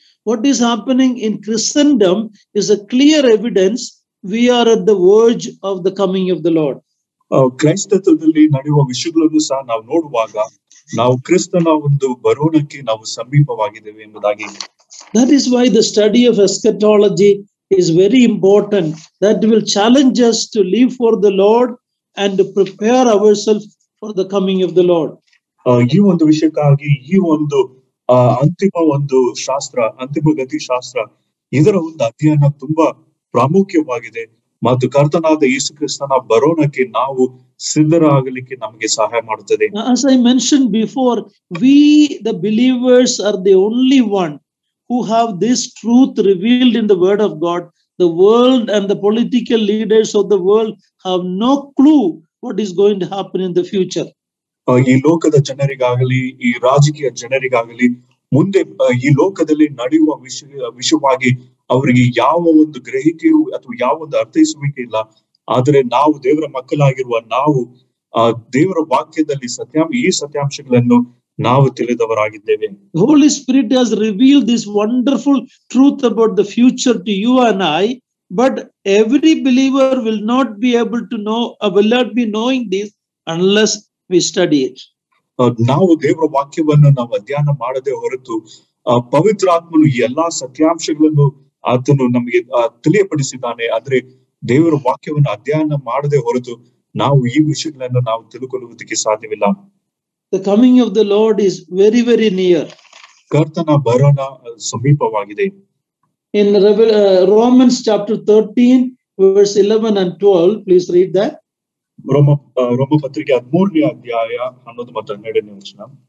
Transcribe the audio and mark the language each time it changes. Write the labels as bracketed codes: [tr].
[en] What is happening in Christendom is a clear evidence we are at the verge of the coming of the Lord. [kn] ಕ್ರೈಸ್ತತ್ವದಲ್ಲಿ ನಡೆಯುವ ವಿಷಯಗಳನ್ನು ಸಹ ನಾವು ನೋಡುವಾಗ ನಾವು ಕ್ರಿಸ್ತನ ಒಂದು ಬರೋಣಕ್ಕೆ ನಾವು ಸಮೀಪವಾಗಿದ್ದೇವೆ ಎಂಬುದಾಗಿ. [en] That is why the study of eschatology is very important. That will challenge us to live for the Lord and to prepare ourselves for the coming of the Lord. [kn] ಈ ಒಂದು ವಿಷಯಕ್ಕಾಗಿ ಈ ಒಂದು ಅಂತಿಮ ಒಂದು ಶಾಸ್ತ್ರ, ಅಂತಿಮ ಗತಿ ಶಾಸ್ತ್ರ, ಇದರ ಒಂದು ಅಧ್ಯಯನ ತುಂಬಾ ಪ್ರಾಮುಖ್ಯವಾಗಿದೆ ಮತ್ತು ಕರ್ತನಾದ ಯೇಸು ಕ್ರಿಸ್ತನ ಬರೋಣಕ್ಕೆ ನಾವು ಸಿದ್ಧರಾಗಲಿಕ್ಕೆ ನಮಗೆ ಸಹಾಯ ಮಾಡುತ್ತದೆ. [en] As I mentioned before, we the believers are the only one who have this truth revealed in the word of God. The world and the political leaders of the world have no clue what is going to happen in the future. [kn] ಈ ಲೋಕದ ಜನರಿಗಾಗಲಿ, ಈ ರಾಜಕೀಯ ಜನರಿಗಾಗಲಿ, ಮುಂದೆ ಈ ಲೋಕದಲ್ಲಿ ನಡೆಯುವ ವಿಷಯವಾಗಿ ಅವರಿಗೆ ಯಾವ ಒಂದು ಗ್ರಹಿಕೆಯು ಅಥವಾ ಯಾವ ಒಂದು ಅರ್ಥೈಸುವಿಕೆ ಇಲ್ಲ. ಆದರೆ ನಾವು ದೇವರ ಮಕ್ಕಳಾಗಿರುವ ನಾವು ದೇವರ ವಾಕ್ಯದಲ್ಲಿ ಈ ಸತ್ಯಾಂಶಗಳನ್ನು ನಾವು ತಿಳಿದವರಾಗಿದ್ದೇವೆ. [en] Holy Spirit has reveal this wonderful truth about the future to you and I, but every believer will not be able to know, will not be knowing this unless we study it. [kn] ನಾವು ದೇವರ ವಾಕ್ಯವನ್ನು ನಾವು ಅಧ್ಯಯನ ಮಾಡದೆ ಹೊರತು ಪವಿತ್ರಾತ್ಮನು ಎಲ್ಲಾ ಸತ್ಯಾಂಶಗಳನ್ನು ಆತನು ನಮಗೆ ತಿಳಿಯಪಡಿಸಿದ್ದಾನೆ. ಆದ್ರೆ ದೇವರ ವಾಕ್ಯವನ್ನು ಅಧ್ಯಯನ ಮಾಡದೆ ಹೊರತು ನಾವು ಈ ವಿಷಯಗಳನ್ನು ನಾವು ತಿಳ್ಕೊಳ್ಳುವುದಕ್ಕೆ ಸಾಧ್ಯವಿಲ್ಲ. [en] The coming of the Lord is very, very near. [kn] Kartana barana samipavagide. [en] In Romans chapter 13, verse 11 and 12, please read that. [kn] Roma patrike 13ne adhyaya 11 matta 12ne vachana.